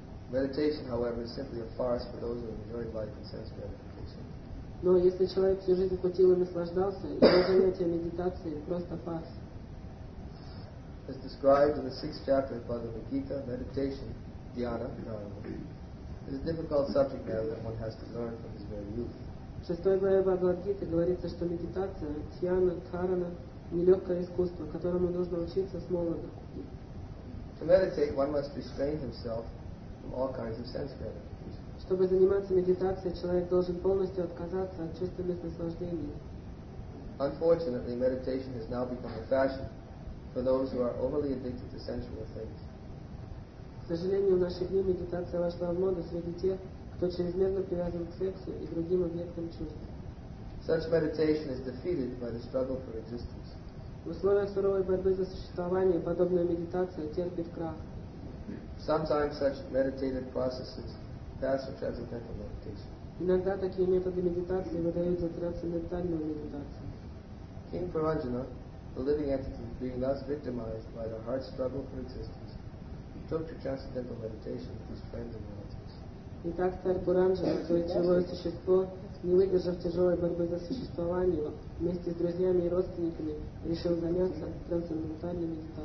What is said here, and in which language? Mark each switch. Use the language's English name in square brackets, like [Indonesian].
[English] Meditation, however, is simply a farce for those who enjoy life and sense gratification. [Russian] Но если человек всю жизнь путил и наслаждался, его занятие медитацией просто фарс. [English] As described in the sixth chapter of Bhagavad Gita, meditation, dhyana, dharma, is a difficult subject matter that one has to learn from his very youth. [Russian] В шестой главе Бхагавад-гиты говорится, что медитация, дхьяна, карана – нелегкое искусство, которому нужно учиться с молоду. [English] To meditate, one must restrain himself from all kinds of sense gratification. [Russian] Чтобы заниматься медитацией, человек должен полностью отказаться от чувственных наслаждений. [English] Unfortunately, meditation has now become a fashion for those who are overly addicted to sensual things. [Russian] К сожалению, в наши дни медитация вошла в моду среди тех, кто чрезмерно привязан к сексу и другим объектам чувств. [English] Such meditation is defeated by the struggle for existence. [Russian] В условиях суровой борьбы за существование подобная медитация терпит крах. [English] Sometimes such meditative processes pass for transcendental meditation. [Russian] Иногда такие методы медитации выдают за трансцендентальную медитацию. [English] King Varanjana, the living entity, being thus victimized by the hard struggle for existence, took to transcendental meditation with his friends and relatives. [Russian] Итак, царь Куранджина, свое живое существо, не выдержав тяжелой борьбы за существование, вместе с друзьями и родственниками решил заняться трансцендентальной